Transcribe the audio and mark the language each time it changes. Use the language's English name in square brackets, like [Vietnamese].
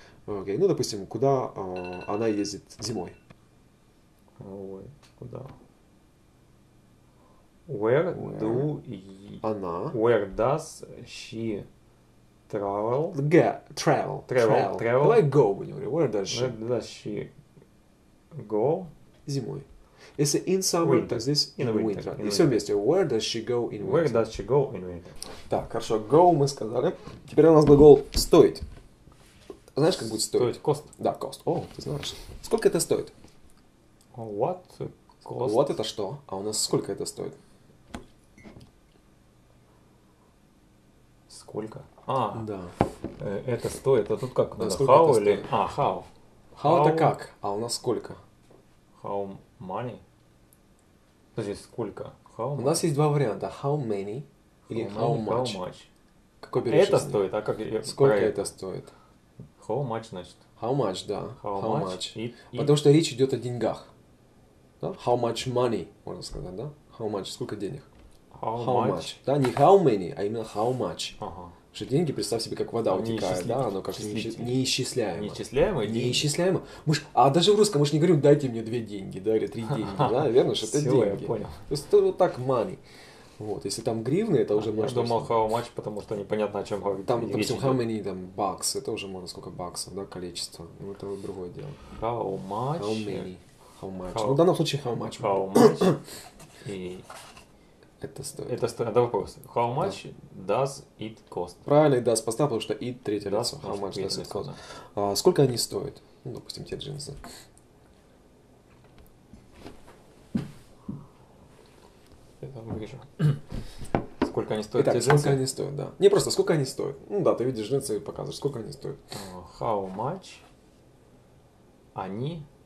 [Russian] Окей, okay. Ну, допустим, куда она ездит зимой? Ой, куда? [English] Where do... [Russian] Она... [English] Where does she travel? Travel. [Russian] Давай go, мы не говорим. [English] Where does she go? [Russian] Зимой. Если [English] in summer, [Russian] то здесь [English] in winter. [Russian] И все вместе. [English] Where does she go in winter? Where does she go in winter? [Russian] Так, хорошо. Go мы сказали. Теперь у нас глагол стоить. Знаешь, как будет стоить? Стоить. Cost. Да, cost. О, ты знаешь. Сколько это стоит? [English] What cost? [Russian] What это что? А у нас сколько это стоит? Сколько? Да. Это стоит. А тут как? Да, how или... How. How это как? А у нас сколько? [English] How... Money? [Russian] Подожди, сколько? [English] How much? [Russian] У нас есть два варианта. [English] How many или how many, much? How much? [Russian] Какой берешь? Это стоит, а как... Сколько это стоит? [English] How much, [Russian] значит. [English] How much, да. How much? [Russian] Потому что речь идет о деньгах. Да? [English] How much money, [Russian] можно сказать, да? [English] How much, [Russian] сколько денег? [English] How much? [Russian] Да, не [English] how many, [Russian] а именно [English] how much. [Russian] Ага. Что деньги, представь себе, как вода утекает, да, оно как-то неисчисляемо. Неисчисляемое? Неисчисляемо. Мы ж, а даже в русском мы же не говорим, дайте мне две деньги, да, или три деньги, да, верно, что это деньги. Всё, я понял. То есть это вот так money. Вот, если там гривны, это уже можно... Я думал, [English] how much, [Russian] потому что непонятно, о чем говорить. Там, допустим, [English] how many, [Russian] там, bucks, это уже можно, сколько баксов, да, количество. Ну, это другое дело. [English] How much? How many? How much? [Russian] Ну, в данном случае, how much. [English] How much? И... [Russian] Это стоит. Это стоит. Это вопрос. [English] How much does it cost? [Russian] Правильно, does поставь, потому что it третье лицо. [English] How much does it cost? [Russian] Сколько они стоят? Ну, допустим, те джинсы. Сколько они стоят? Итак, сколько они стоят, да. Не просто, сколько они стоят. Ну да, ты видишь джинсы и показываешь, сколько они стоят. [English] How much [Russian] они...